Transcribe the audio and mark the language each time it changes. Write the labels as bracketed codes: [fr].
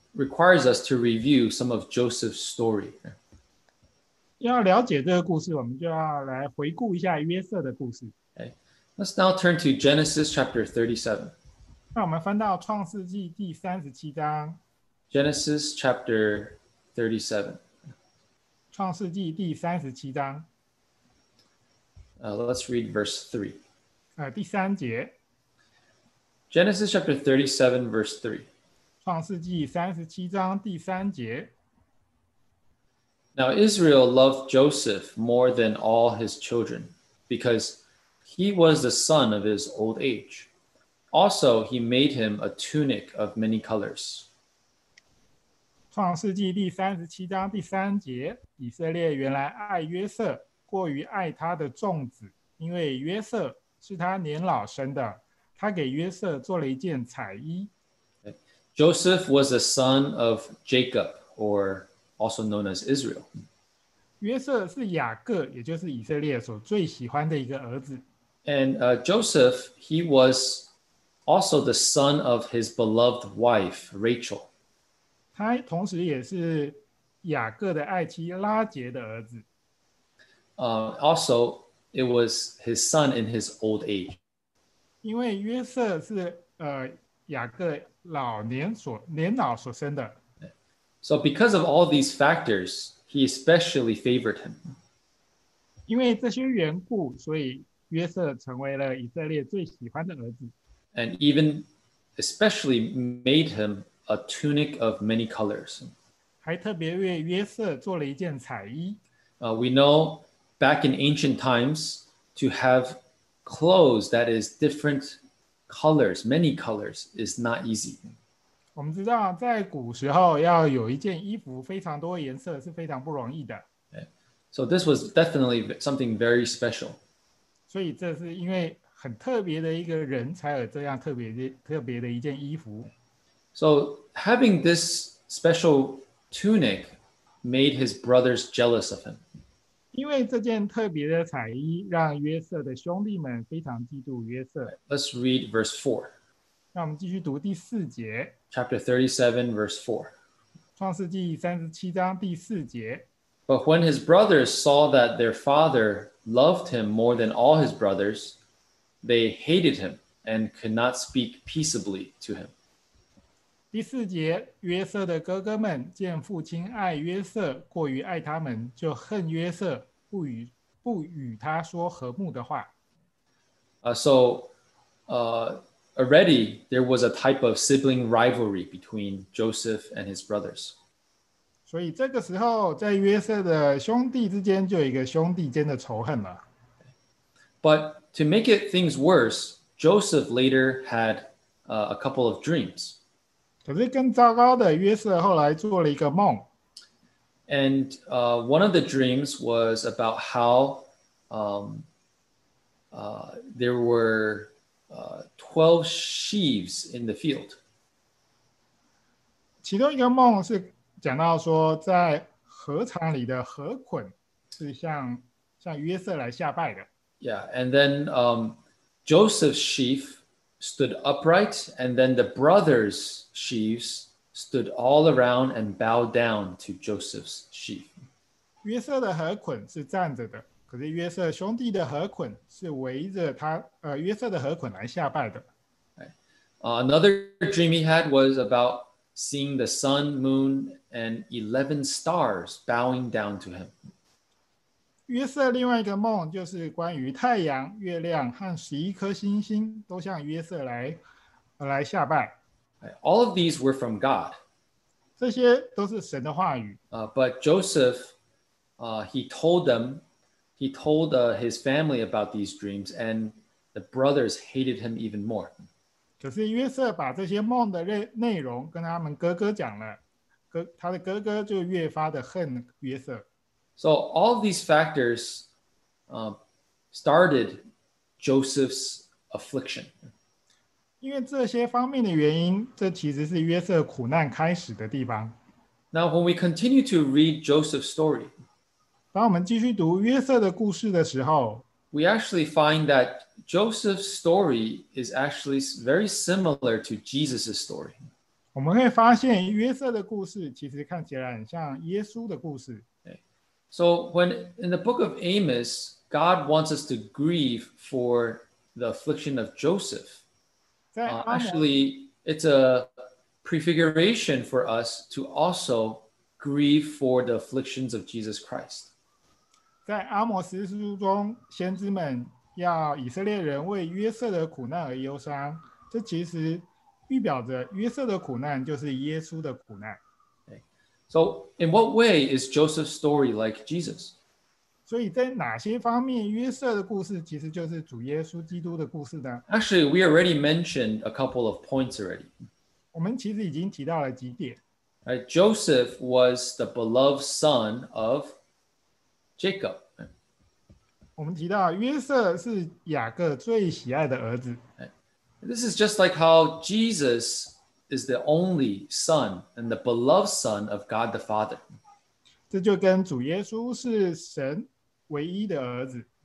[en] Requires us to review some of Joseph's story. [zh] 要了解这个故事，我们就要来回顾一下约瑟的故事。 [en] Okay. Let's now turn to Genesis chapter 37. [zh] 那我们翻到创世纪第37章。 [en] Genesis chapter 37. [zh] 创世纪第37章。 [en] Let's read verse [zh] 3. 第三节。 [en] Genesis chapter 37 verse 3. [zh] 创世纪37章第三节。 [en] Now Israel loved Joseph more than all his children, because he was the son of his old age. Also, he made him a tunic of many colors. [zh] 创世纪第37章第三节，以色列原来爱约瑟，过于爱他的众子，因为约瑟是他年老生的，他给约瑟做了一件彩衣。 [en] Joseph was the son of Jacob, or also known as Israel. [zh] 约瑟是雅各，也就是以色列所最喜欢的一个儿子。 [en] And Joseph, he was also the son of his beloved wife, Rachel. [zh] 他同时也是雅各的爱妻拉结的儿子。 [en] Also, it was his son in his old age. [zh] 因为约瑟是雅各年老所生的。 [en] So because of all these factors, he especially favored him. [zh] 因为这些缘故，所以约瑟成为了以色列最喜欢的儿子。 [en] And even especially made him a tunic of many colors. [zh] 还特别为约瑟做了一件彩衣。 [en] We know back in ancient times, to have clothes that is different colors, many colors, is not easy. [zh] 我们知道在古时候要有一件衣服非常多颜色是非常不容易的。 [en] So this was definitely something very special. [zh] 所以这是因为很特别的一个人才有这样特别的一件衣服。 [en] So having this special tunic made his brothers jealous of him. [zh] 因为这件特别的彩衣让约瑟的兄弟们非常嫉妒约瑟。 [en] Let's read verse 4. [zh] 那我们继续读第四节。 [en] Chapter 37, verse 4. [zh] 创世纪37章第四节。 [en] But when his brothers saw that their father loved him more than all his brothers, they hated him and could not speak peaceably to him. [zh] 第四节，约瑟的哥哥们见父亲爱约瑟过于爱他们，就恨约瑟，不与他说和睦的话。 [en] Already there was a type of sibling rivalry between Joseph and his brothers. [zh] 所以这个时候，在约瑟的兄弟之间就有一个兄弟间的仇恨了。 [en] But to make it things worse, Joseph later had a couple of dreams. [zh] 可是更糟糕的，约瑟后来做了一个梦。 [en] And one of the dreams was about how there were 12 sheaves in the field. [zh] 其中一个梦是讲到说，在禾场里的禾捆是向约瑟来下拜的。 [en] Yeah, and then Joseph's sheaf stood upright, and then the brothers' sheaves stood all around and bowed down to Joseph's sheaf. [zh] 约瑟的禾捆是站着的，可是约瑟兄弟的禾捆是围着他，约瑟的禾捆来下拜的。 [en] Another dream he had was about seeing the sun, moon, and 11 stars bowing down to him. [zh] 约瑟另外一个梦就是关于太阳、月亮和11颗星星都向约瑟 来下拜。 [en] All of these were from God. [zh] 这些都是神的话语。 [en] But Joseph, he told his family about these dreams, and the brothers hated him even more. [zh] 可是约瑟把这些梦的内容跟他们哥哥讲了，他的哥哥就越发的恨约瑟。 [en] So all these factors started Joseph's affliction. [zh] 因为这些方面的原因，这其实是约瑟苦难开始的地方。 [en] Now when we continue to read Joseph's story, [zh] 当我们继续读约瑟的故事的时候， [en] we actually find that Joseph's story is actually very similar to Jesus' story. [zh] 我们会发现约瑟的故事其实看起来很像耶稣的故事。 [en] So when in the book of Amos, God wants us to grieve for the affliction of Joseph. Actually, it's a prefiguration for us to also grieve for the afflictions of Jesus Christ. [zh] 在阿摩斯书中，先知们要以色列人为约瑟的苦难而忧伤，这其实预表着约瑟的苦难就是耶稣的苦难。 [en] So, in what way is Joseph's story like Jesus? [zh] 所以在哪些方面，约瑟的故事其实就是主耶稣基督的故事呢？ [en] Actually, we already mentioned a couple of points already. [zh] 我们其实已经提到了几点。 [en] Joseph was the beloved son of Jacob. [zh] 我们提到约瑟是雅各最喜爱的儿子。 [en] This is just like how Jesus is the only son and the beloved son of God the Father. [zh] 这就跟主耶稣是神唯一的儿子。